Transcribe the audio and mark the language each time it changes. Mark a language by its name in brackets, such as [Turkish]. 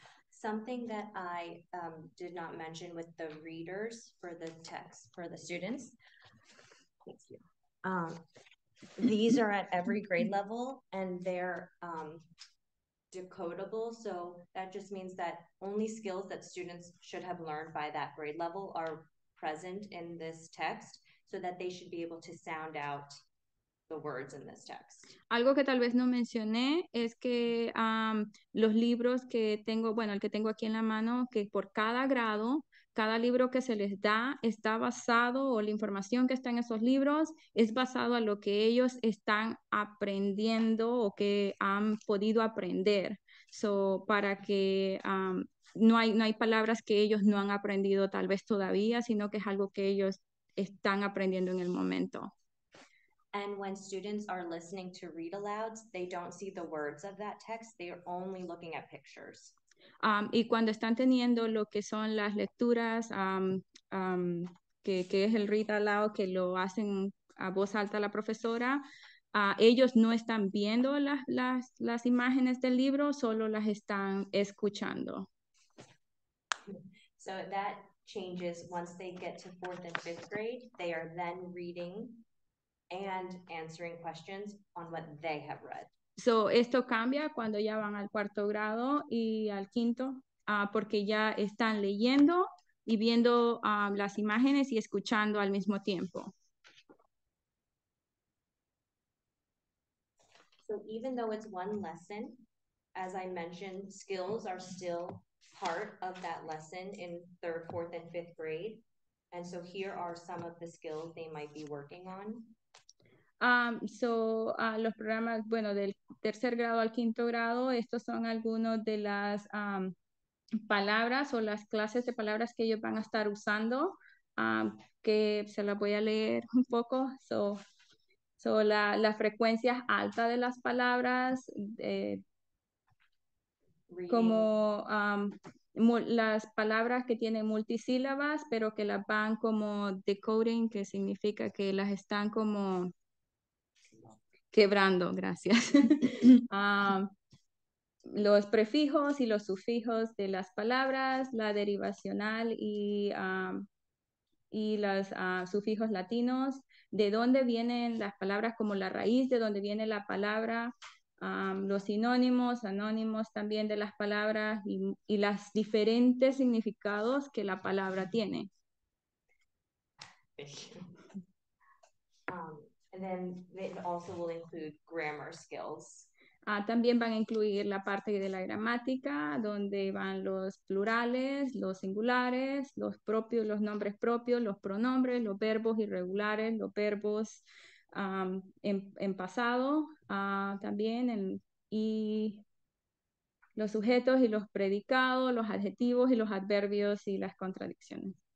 [English] Something that I did not mention with the readers for the text for the students. Thank you. These are at every grade level and they're decodable. So that just means that only skills that students should have learned by that grade level are present in this text so that they should be able to sound out the words in this text. [Spanish] Algo que tal vez no mencioné es que los libros que tengo, bueno, el que tengo aquí en la mano, que por cada grado, cada libro que se les da está basado, o la información que está en esos libros, es basado a lo que ellos están aprendiendo o que han podido aprender. So, para que no hay palabras que ellos no han aprendido tal vez todavía, sino que es algo que ellos están aprendiendo en el momento. [English] And when students are listening to read alouds, they don't see the words of that text, they are only looking at pictures. [Spanish] Y cuando están teniendo lo que son las lecturas, que es el read aloud, que lo hacen a voz alta la profesora, ellos no están viendo las imágenes del libro, solo las están escuchando. [English] So that changes once they get to fourth and fifth grade. They are then reading and answering questions on what they have read. [Spanish] So, esto cambia cuando ya van al cuarto grado y al quinto, porque ya están leyendo y viendo las imágenes y escuchando al mismo tiempo. [English] So, even though it's one lesson, as I mentioned, skills are still part of that lesson in third, fourth, and fifth grade. And so, here are some of the skills they might be working on. [Spanish] Los programas, bueno, del tercer grado al quinto grado, estos son algunos de las palabras o las clases de palabras que ellos van a estar usando, que se las voy a leer un poco. So la frecuencia alta de las palabras, como las palabras que tienen multisílabas, pero que las van como decoding, que significa que las están como quebrando, gracias. Los prefijos y los sufijos de las palabras, la derivacional y los sufijos latinos, de dónde vienen las palabras, como la raíz de dónde viene la palabra, los sinónimos, anónimos también de las palabras y los diferentes significados que la palabra tiene. [English] And then it also will include grammar skills. [Spanish] También van a incluir la parte de la gramática, donde van los plurales, los singulares, los propios, los nombres propios, los pronombres, los verbos irregulares, los verbos en pasado, también, y los sujetos y los predicados, los adjetivos y los adverbios y las contradicciones.